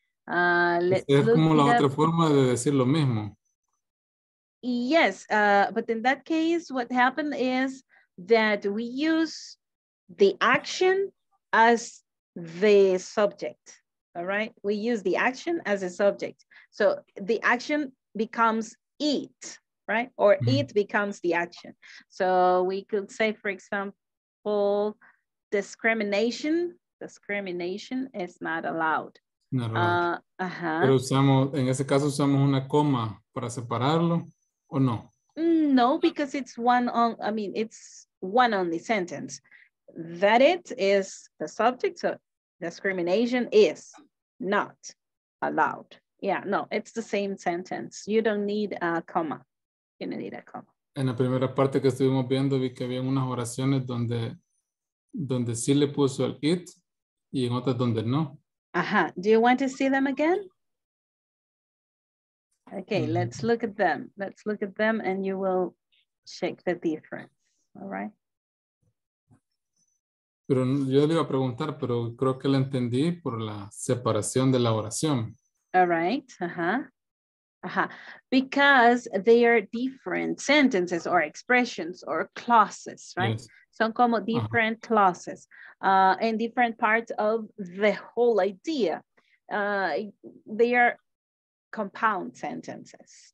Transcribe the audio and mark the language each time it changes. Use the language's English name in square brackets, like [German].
[Spanish] Es como la otra forma de decir lo mismo. [English] Yes, but in that case, what happened is that we use the action as the subject, all right? We use the action as a subject. So the action becomes it, right? Or it becomes the action. So we could say, for example, discrimination is not allowed. [Spanish] Pero en ese caso usamos una coma para separarlo. [English] Or no, because it's one only sentence. that it is the subject, so discrimination is not allowed. Yeah, no, it's the same sentence. You don't need a comma. You don't need a comma. [Spanish] En la primera parte que estuvimos viendo, vi que había unas oraciones donde, donde sí le puso el it y en otras donde no. [English] Ajá. Uh-huh. Do you want to see them again? Okay, mm-hmm. Let's look at them. Let's look at them and you will check the difference. All right. [Spanish] Pero yo le iba a preguntar, pero creo que la entendí por la separación de la oración. [English] All right. Uh-huh. Uh-huh. Because they are different sentences or expressions or clauses, right? Yes. [Spanish] Son como [English] different uh-huh. clauses and different parts of the whole idea. They are compound sentences.